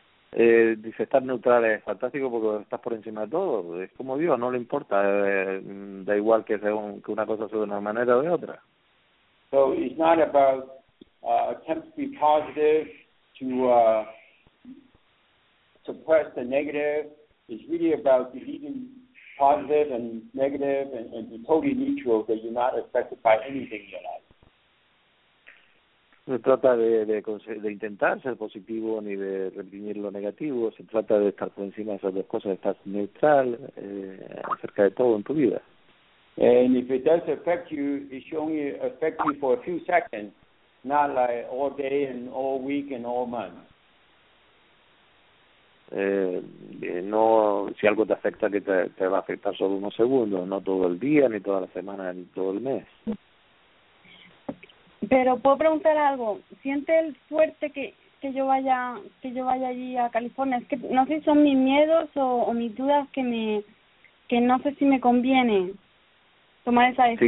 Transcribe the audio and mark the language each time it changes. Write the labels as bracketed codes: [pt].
[es] Dice estar neutral es fantástico porque estás por encima de todo. Es como Dios, no le importa. Da igual que sea que una cosa sea de una manera o de otra. [en] So it's not about attempt to be positive, to suppress the negative. It's really about believing positive and negative and be totally neutral, that you're not affected by anything in your life. [es] No se trata de intentar ser positivo ni de reprimir lo negativo. Se trata de estar por encima de esas dos cosas, de estar neutral acerca de todo en tu vida. [en] And if it does affect you, it should only affect you for a few seconds. Not like all day and all week and all month. [es] No, si algo te afecta, que te va a afectar solo unos segundos, no todo el día, ni toda la semana, ni todo el mes. Pero puedo preguntar algo. ¿Siente el fuerte que yo vaya allí a California? Es que no sé si son mis miedos o mis dudas que no sé si me conviene tomar esa decisión.